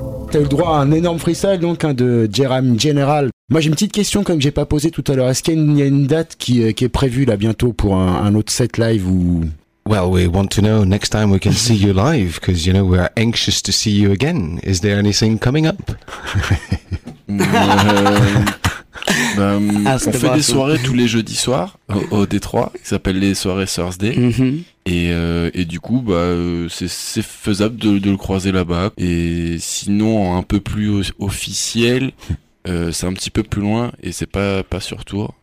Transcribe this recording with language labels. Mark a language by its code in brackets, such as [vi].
[fr] T'as eu le droit à un énorme freestyle donc, hein, de G-Rhyme General. Moi j'ai une petite question comme j'ai pas posé tout à l'heure. Est-ce qu'il y a une date qui est prévue là bientôt pour un autre set live ou... [en] Well, we want to know next time we can see you live, because you know we're anxious to see you again. Is there anything coming up? [fr] On fait des soirées tous les jeudis soirs au Détroit, qui s'appellent les soirées Thursday. Mm-hmm. Et du coup, bah, c'est faisable de le croiser là-bas. Et sinon, un peu plus officiel, c'est un petit peu plus loin et c'est pas sur tour.